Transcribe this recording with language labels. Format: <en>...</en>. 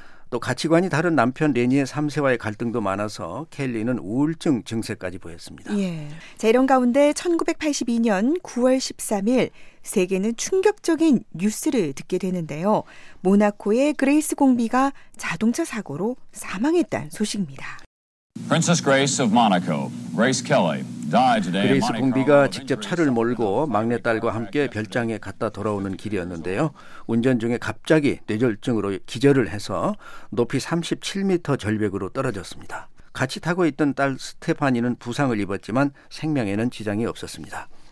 <ko>또 가치관이 다른 남편 레니의 3세와의 갈등도 많아서 켈리는 우울증 증세까지 보였습니다. 예. 자, 이런 가운데 1982년 9월 13일 세계는 충격적인 뉴스를 듣게 되는데요. 모나코의 그레이스 공비가 자동차 사고로 사망했다는 소식입니다.</ko> <en>Princess Grace of Monaco, Grace Kelly, died today.</en> <ko>그레이스 공비가 직접 차를 몰고 막내딸과 함께 별장에 갔다 돌아오는 길이었는데요. 운전 중에 갑자기 뇌졸중으로 기절을 해서 높이 37m 절벽으로 떨어졌습니다. 같이 타고 있던 딸 스테파니는 부상을 입었지만 생명에는 지장이 없었습니다.</ko>